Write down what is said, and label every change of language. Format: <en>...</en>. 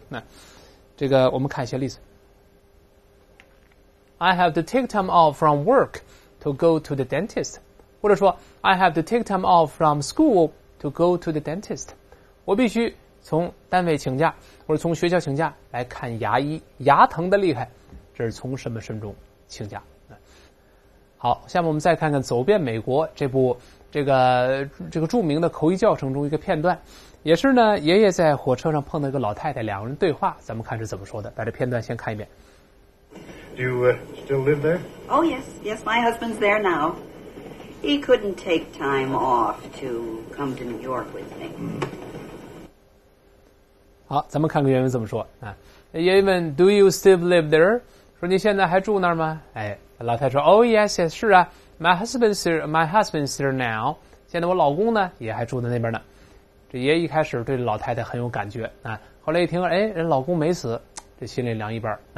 <zh>那这个我们看一些例子，</zh> <en>I have to take time off from work to go to the dentist,</en> <zh>或者说</zh> <en>I have to take time off from school to go to the dentist,</en> <zh>我必须从单位请假或者从学校请假来看牙医，牙疼的厉害，这是从什么什么中请假。好，下面我们再看看走遍美国这部这个著名的口译教程中一个片段，也是呢爷爷在火车上碰到一个老太太，两个人对话，咱们看是怎么说的，把这片段先看一遍。</zh> <en>Do you still live there? Oh yes, yes, my husband's there nowHe couldn't take time off to come to New York with me.</en> <zh>好，咱们看看原文怎么说。爷爷问</zh> <en>Do you still live there?</en> <zh>说你现在还住那儿吗？老太说</zh> <en>Oh yes, yes,</en> <zh>是啊。</zh> <en>My husband's here now.</en> <zh>现在我老公呢也还住在那边呢。这爷爷一开始对老太太很有感觉，后来一听人老公没死，这心里凉一半。</zh>